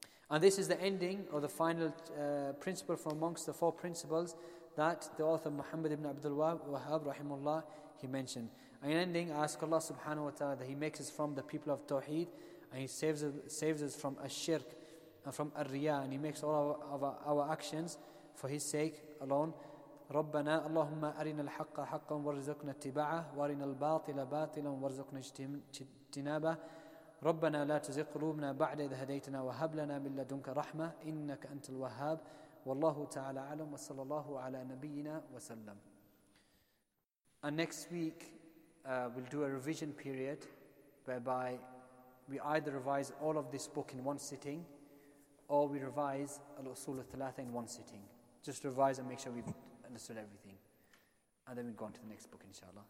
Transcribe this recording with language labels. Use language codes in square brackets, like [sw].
[en] And this is the ending or the final principle from amongst the four principles that the author Muhammad ibn Abdul Wahhab, rahimullah, he mentioned. And in ending, I ask Allah subhanahu wa ta'ala that He makes us from the people of Tawheed and He saves us from ash-shirk and from ar-riyah, and He makes all our actions for His sake alone. [ar] ربنا اللهم أرنا الحق حقا وارزقنا اتباعه وارنا الباطل باطلا وارزقنا اجتنابه ربنا لا تزغ قلوبنا بعد إذ هديتنا وهب لنا من لدنك رحمة إنك أنت الوهاب والله تعالى أعلم وصلى الله على نبينا وسلم. [en] And next week we'll do a revision period whereby we either revise all of this book in one sitting or we revise Al-Usul al-Thalatha in one sitting. Just revise and make sure we've understood everything, and then we go on to the next book, inshallah.